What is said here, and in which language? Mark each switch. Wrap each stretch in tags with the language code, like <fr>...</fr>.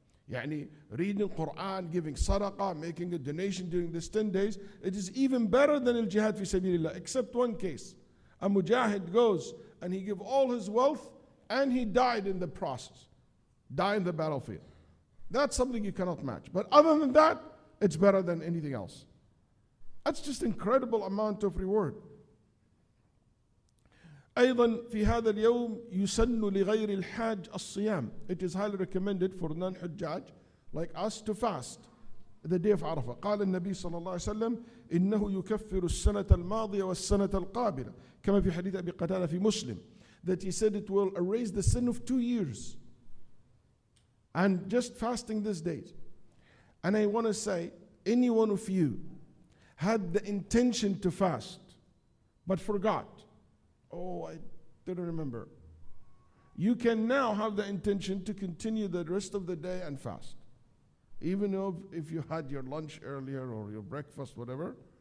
<en>Yani reading Quran, giving sadaqah, making a donation during these 10 days, it is even better than al-jihad fi sabilillah, except one case. A mujahid goes and he gives all his wealth and he died in the process, died in the battlefield. That's something you cannot match. But other than that, it's better than anything else. That's just incredible amount of reward.</en> <ar>أيضاً في هذا اليوم يسن لغير الحاج الصيام.</ar> <en>It is highly recommended for non-hajjaj like us to fast the day of Arafah.</en> <ar>قال النبي صلى الله عليه وسلم إنه يكفر السنة الماضية والسنة القابلة كما في حديث أبي قتادة في مسلم</ar> <en>that he said it will erase the sin of 2 years and just fasting this day. And I want to say any one of you had the intention to fast but forgot. Oh, I didn't remember. You can now have the intention to continue the rest of the day and fast. Even if you had your lunch earlier or your breakfast, whatever.</en>